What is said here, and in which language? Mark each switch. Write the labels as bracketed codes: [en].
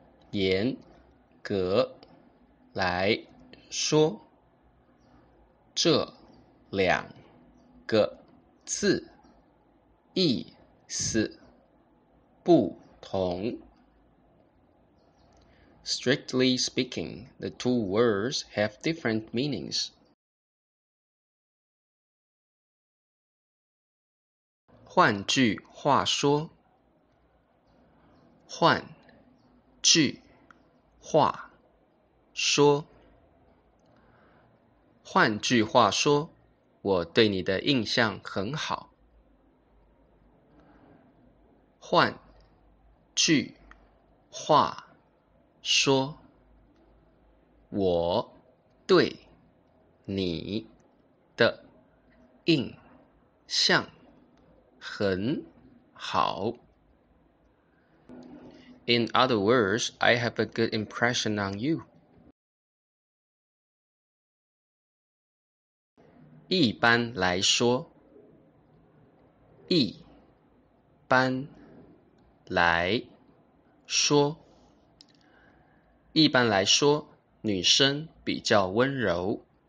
[zh] 严格来说，这两个字意思不同。 [en] Strictly speaking, the two words have different meanings. [zh] 换句话说，换句话说，换句话说。我对你的印象很好。换句话说，我对你的印象很好。 [en] In other words, I have a good impression on you. [zh] 一般来说，一般来说，一般来说，女生比较温柔。